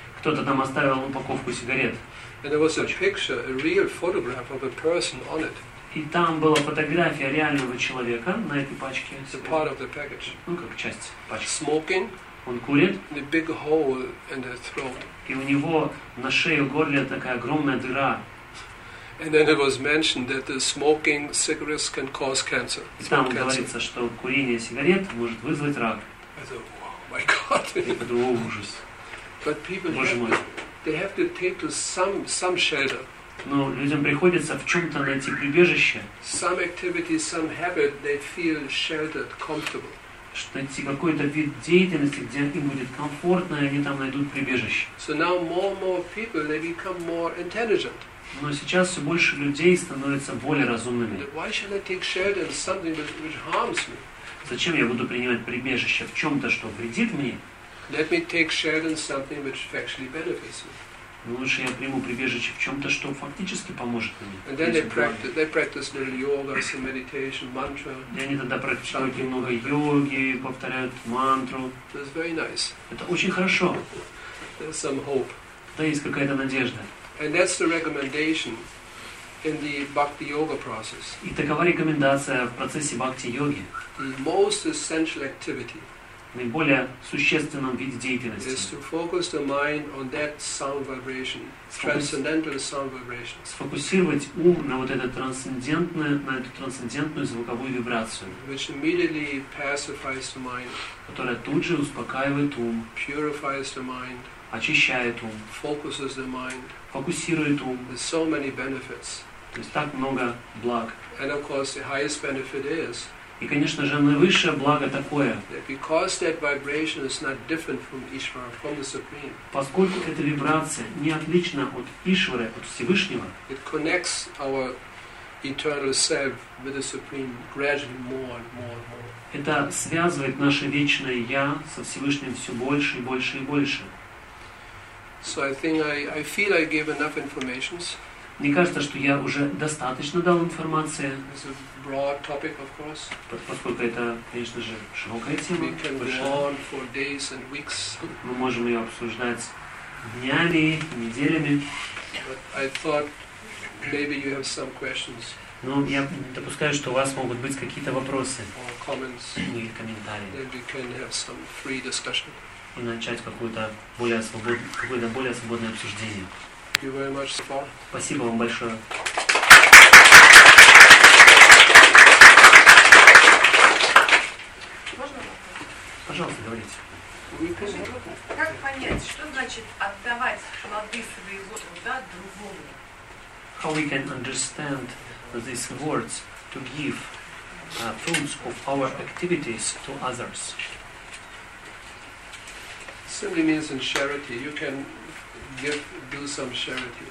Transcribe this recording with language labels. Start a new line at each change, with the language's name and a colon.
Russian: Кто-то там оставил упаковку сигарет.
English: And there was a picture, a real photograph of a person on it.
Russian: И там была фотография реального человека на этой пачке.
English: The part of the package.
Russian: Ну, как часть пачки.
English: Smoking.
Russian: Он курит.
English: The big hole in the throat.
Russian: И у него на шее, в горле такая огромная дыра.
English: And then it was mentioned that the smoking cigarettes can cause cancer.
Russian: Там говорится, что курение сигарет может вызвать рак.
English: I thought, oh my God.
Russian: Я подумал, ужас.
English: But people
Russian: Боже мой.
English: They have to take to some shelter.
Russian: Но людям приходится в чем-то найти прибежище.
English: Some activity, some habit, they feel sheltered, comfortable.
Russian: Найти какой-то вид деятельности, где им будет комфортно, и они там найдут прибежище.
English: So now more and more people, they become more intelligent.
Russian: Но сейчас все больше людей становятся более разумными.
English: Why should I take shelter in something which harms me?
Russian: Зачем я буду принимать прибежище в чем-то, что вредит мне?
English: Let me take shelter in something which actually benefits me.
Russian: Но лучше я приму прибежище в чем-то, что фактически поможет мне.
English: And then they practice little yoga, some meditation, mantra.
Russian: И они тогда практикуют немного йоги, повторяют мантру.
English: That's very nice.
Russian: Это очень хорошо.
English: There's some hope.
Russian: Да, есть какая-то надежда.
English: And that's the recommendation in the bhakti yoga process.
Russian: И такова рекомендация в процессе бхакти йоги.
English: The most essential activity.
Russian: Наиболее существенном виде деятельности.
English: Is to focus the mind on that sound vibration, transcendental sound vibration.
Russian: Сфокусировать ум на вот это трансцендентное, на эту трансцендентную звуковую вибрацию.
English: Which immediately pacifies the mind.
Russian: Которая тут же успокаивает ум.
English: Purifies the mind.
Russian: Очищает ум.
English: Focuses the mind.
Russian: Фокусирует ум.
English: There's so many benefits.
Russian: То есть так много благ.
English: And of course, the highest benefit is.
Russian: И, конечно же, наивысшее благо такое.
English: Because that vibration is not different from Ishvara, from the Supreme.
Russian: Поскольку эта вибрация не отлична от Ишвары, от Всевышнего.
English: It connects our eternal self with the Supreme gradually more and more and more.
Russian: Это связывает наше вечное Я со Всевышним все больше и больше и больше.
English: So I think I feel I gave enough information.
Russian: Мне кажется, что я уже достаточно дал информации.
English: It's a broad topic, of course.
Russian: Поскольку это, конечно же, широкая тема.
English: We can go on for days and weeks.
Russian: Мы можем ее обсуждать днями, неделями.
English: But I thought maybe you have some questions.
Russian: Но я допускаю, что у вас могут быть какие-то вопросы.
English: Or comments.
Russian: Или комментарии.
English: Then we can have some free discussion.
Russian: И начать какое-то более свободное обсуждение.
English: Thank you very much, Paul.
Russian: Спасибо вам большое. Можно вопрос? Пожалуйста, говорите. Как понять, что значит отдавать плоды своего труда другому?
English: How we can understand these words to give fruits of our activities to others? Simply means in charity, you can do some charity.